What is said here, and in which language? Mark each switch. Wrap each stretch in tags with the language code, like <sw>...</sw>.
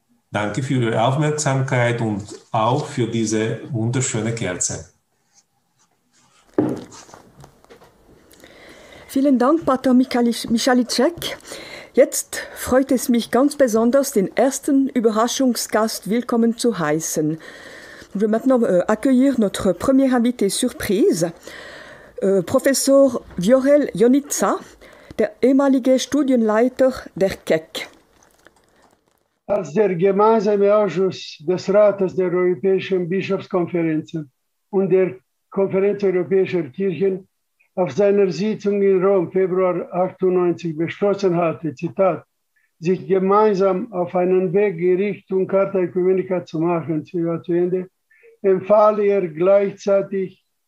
<de>Danke für Ihre Aufmerksamkeit und auch für diese wunderschöne Kerze. Vielen Dank, Pater Michalicek. Jetzt freut es mich ganz besonders, den ersten Überraschungsgast willkommen zu heißen.</de> <fr>Je vais maintenant accueillir notre premier invité surprise.</fr> <de>Professor Viorel Ionitza, der ehemalige Studienleiter der KEK. Als der gemeinsame Ausschuss des Rates der Europäischen Bischofskonferenzen und der Konferenz Europäischer Kirchen auf seiner Sitzung in Rom Februar 1998 beschlossen hatte, Zitat, sich gemeinsam auf einen Weg in Richtung Charta Ecumenica zu machen, zu Ende, empfahl er gleichzeitig,</de>